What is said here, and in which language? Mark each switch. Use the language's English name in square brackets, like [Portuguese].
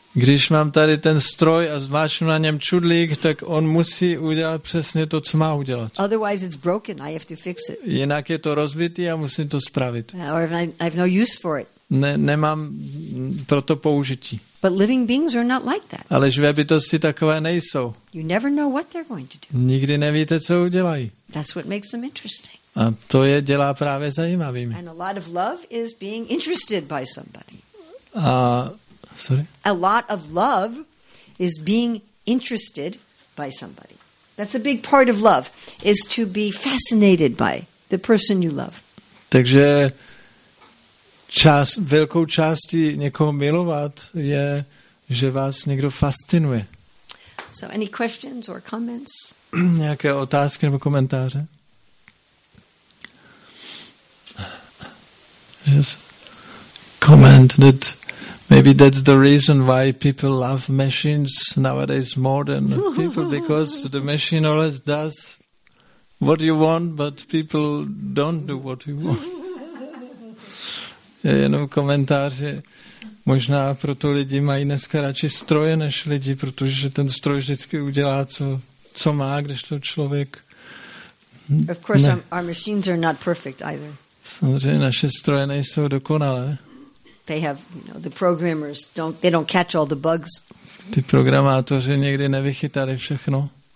[Czech] Když mám tady ten stroj a zmáčknu na něm čudlík, tak on musí udělat přesně to, co má udělat. [English] Otherwise it's broken, I have to fix it. [Czech] Jinak je to rozbitý a musím to spravit. [English] Or I've no use for it. [Czech] Nemám pro to použití. [English] But living beings are not like that. [Czech] Ale živé bytosti takové nejsou. [English] You never know what they're going to do. [Czech] Nikdy nevíte, co udělají. [English] That's what makes them interesting. [Czech] A to je dělá právě zajímavými. [English] And a lot of love is being interested by somebody. A lot of love is being interested by somebody. That's a big part of love, is to be fascinated by the person you love. [Czech] Takže velkou částí někoho milovat je, že vás někdo fascinuje. [English] So any questions or comments? [Czech] Nějaké otázky nebo komentáře? [English] Just comment that maybe that's the reason why people love machines nowadays more than people, because the machine always does what you want, but people don't do what you want. [Czech] Je jenom komentář, že možná proto lidi mají dneska radši stroje než lidi, protože ten stroj vždycky udělá, co má, kdežto člověk. [English] Of course, our machines are not perfect either. [Czech] Samozřejmě naše stroje nejsou dokonalé. [English] They have, you know, the programmers don't, they don't catch all the bugs. [Czech] Ty programátoři někdy nevychytali všechno.